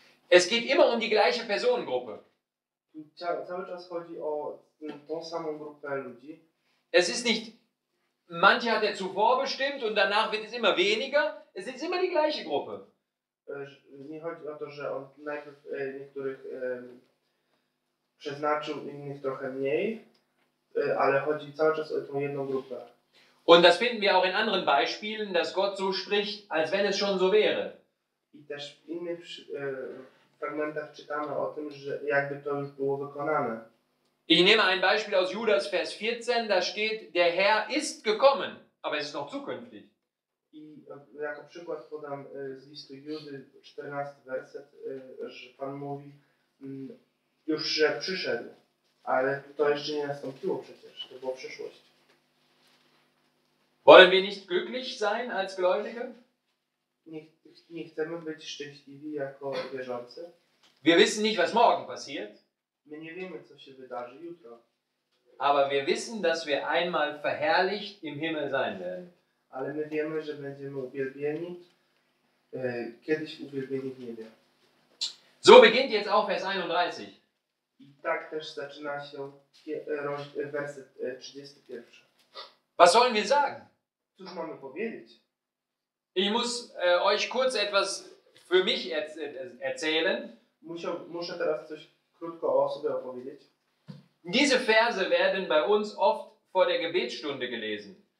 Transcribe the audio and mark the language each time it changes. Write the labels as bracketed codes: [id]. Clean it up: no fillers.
[de] Es geht immer um die gleiche Personengruppe. [pl] Cały czas chodzi o tą samą grupę ludzi. [de] Es ist nicht, manche hat er zuvor bestimmt und danach wird es immer weniger. Es ist immer die gleiche Gruppe. [pl] Nie chodzi o to, że on najpierw niektórych przeznaczył, innych trochę mniej, ale chodzi cały czas o tą jedną grupę. [de] Und das finden wir auch in anderen Beispielen, dass Gott so spricht, als wenn es schon so wäre. [pl] I też w innych fragmentach czytamy o tym, że jakby to już było wykonane. [de] Ich nehme ein Beispiel aus Judas Vers 14, da steht, der Herr ist gekommen, aber es ist noch zukünftig. [pl] I jako przykład podam z listu Judy 14 werset, że Pan mówi, już że przyszedł, ale to jeszcze nie nastąpiło przecież, to było przyszłość. [de] Wollen wir nicht glücklich sein als Gläubige? [pl] Nie chcemy być szczęśliwi jako wierzący. [de] Wir wissen nicht, was morgen passiert. [pl] My nie wiemy, co się wydarzy jutro. [de] Aber wir wissen, dass wir einmal verherrlicht im Himmel sein werden. [pl] Ale my wiemy, że będziemy uwielbieni, kiedyś uwielbieni w niebie. [de] So beginnt jetzt auch Vers 31. [pl] I tak też zaczyna się werset 31. [de] Was sollen wir sagen? [pl] Cóż mamy powiedzieć? [de] Ich muss euch kurz etwas für mich erzählen. [pl] Muszę teraz coś krótko o sobie opowiedzieć. [de] Diese Verse werden bei uns oft vor der Gebetsstunde gelesen.